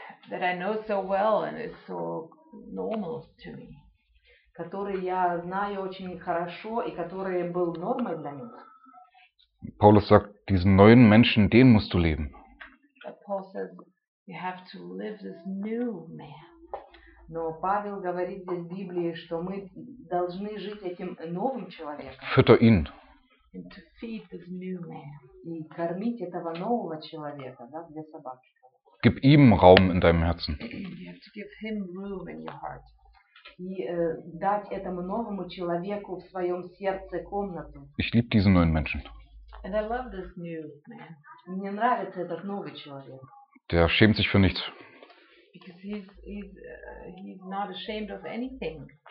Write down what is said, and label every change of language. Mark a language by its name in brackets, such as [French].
[English] that I know so well and is so... normal to me. [Russian] Который я знаю очень хорошо и который был нормой для меня. [German] Paulus sagt, diesen neuen Menschen, den musst du leben. [English] Paul says, you have to live this new man. [Russian] Но Павел говорит здесь в Библии, что мы должны жить этим новым человеком. [German] Fütter ihn. [English] And to feed this new man. [Russian] И кормить этого нового человека, да, для собаки. [German] Gib ihm Raum in deinem Herzen. [English] You have to give him room in your heart. [Russian] И дать этому новому человеку в своем сердце комнату. [German] Ich liebe diesen neuen Menschen. [English] And I love this new man. [Russian] Мне нравится этот новый человек. [German] Der schämt sich für nichts. [English] Because he's not ashamed of anything.